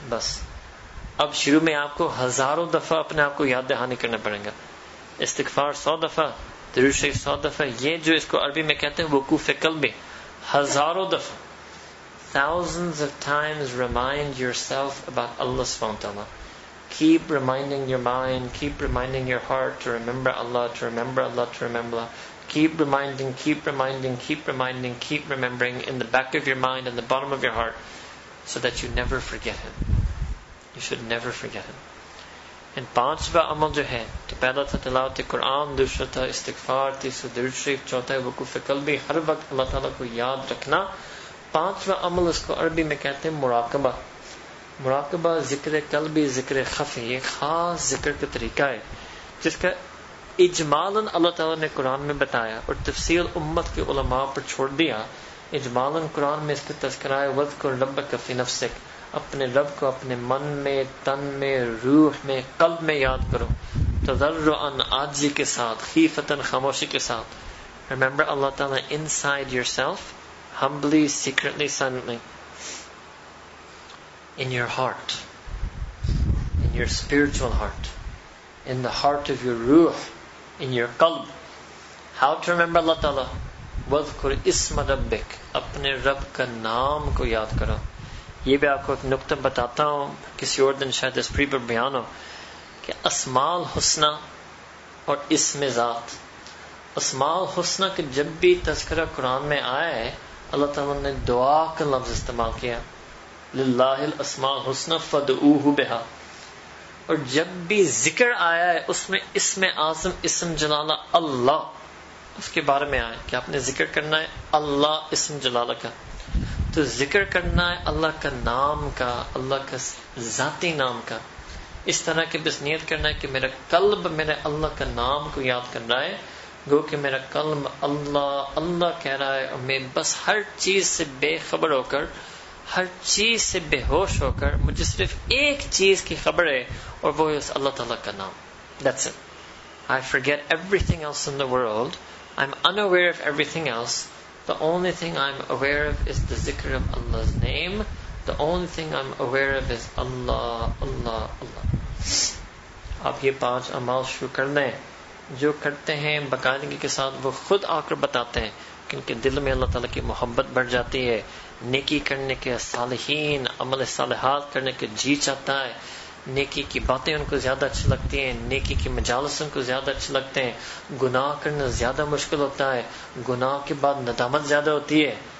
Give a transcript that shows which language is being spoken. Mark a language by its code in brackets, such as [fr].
[ur] بس اب شروع میں آپ کو ہزاروں دفعہ اپنے آپ کو یاد دہانی کرنا پڑے گا, استغفار 100 دفعہ, درود شریف 100 دفعہ, یہ جو اس کو عربی میں کہتے ہیں وقوف قلب ہزاروں دفعہ, [en] thousands of times remind yourself about Allah subhanahu wa ta'ala. Keep reminding your mind, keep reminding your heart to remember Allah, to remember Allah, to remember Allah. Keep reminding, keep reminding, keep reminding, keep remembering in the back of your mind and the bottom of your heart so that you never forget Him. You should never forget Him. And [ur] panchva amal jo hai, to pehla tha tilawat Quran, dusra tha istighfar, teesra durood sharif, chautha hai wuquf qalbi, har waqt Allah ta'ala ko yaad rakhna. پانچواں عمل اس کو عربی میں کہتے ہیں مراقبہ. مراقبہ ذکر قلبی ذکر خفی, یہ خاص ذکر کا طریقہ ہے جس کا اجمالاً اللہ تعالیٰ نے قرآن میں بتایا اور تفصیل امت کے علماء پر چھوڑ دیا. اجمالاً قرآن میں اس کا تذکرہ ہے, [ar] وَذْكُرْ رَبَّكَ فِي نَفْسِكَ, [ur] اپنے رب کو اپنے من میں, تن میں, روح میں, قلب میں یاد کرو, تضرعاً عاجزی کے ساتھ, خیفتاً خاموشی کے ساتھ. [en] Remember Allah Ta'ala inside your self, humbly, secretly, silently, in your heart, in your spiritual heart, in the heart of your ruh, in your qalb. How to remember Allah Ta'ala? [ar] وَذْكُرْ اِسْمَ رَبِّكَ, [ur] اپنے رب کا نام کو یاد کرو. یہ بھی آپ کو ایک نقطہ بتاتا ہوں, کسی اور دن شاید اس پری پر بیان ہو, کہ اسماء الحسنی اور اسم ذات, اسماء الحسنی کے جب بھی تذکرہ قرآن میں آئے اللہ تعالیٰ نے دعا کا لفظ استعمال کیا, [ar] للہ الاسماء الحسنی فادعوہ بہا, [ur] اور جب بھی ذکر آیا ہے اس میں اسم اعظم اسم جلالہ اللہ اس کے بارے میں آیا کہ آپ نے ذکر کرنا ہے اللہ اسم جلالہ کا, تو ذکر کرنا ہے اللہ کا نام کا, اللہ کا ذاتی نام کا, اس طرح کی بس نیت کرنا ہے کہ میرا قلب میرے اللہ کا نام کو یاد کر رہا ہے, گو کہ میرا قلب اللہ اللہ کہہ رہا ہے, اور میں بس ہر چیز سے بے خبر ہو کر, ہر چیز سے بے ہوش ہو کر مجھے صرف ایک چیز کی خبر ہے اور وہ اس اللہ تعالیٰ کا نام. [en] That's it. I forget everything else in the world. I'm unaware of everything else. The only thing I'm aware of is the ذکر of Allah's name. The only thing I'm aware of is Allah, Allah, Allah. [ur] آپ یہ پانچ اعمال شروع کر لیں, جو کرتے ہیں باقاعدگی کے ساتھ وہ خود آ کر بتاتے ہیں, کیونکہ دل میں اللہ تعالیٰ کی محبت بڑھ جاتی ہے, نیکی کرنے کے صالحین عمل صالحات کرنے کے جی چاہتا ہے, نیکی کی باتیں ان کو زیادہ اچھی لگتی ہیں, نیکی کی مجالس ان کو زیادہ اچھے لگتے ہیں, گناہ کرنا زیادہ مشکل ہوتا ہے, گناہ کے بعد ندامت زیادہ ہوتی ہے.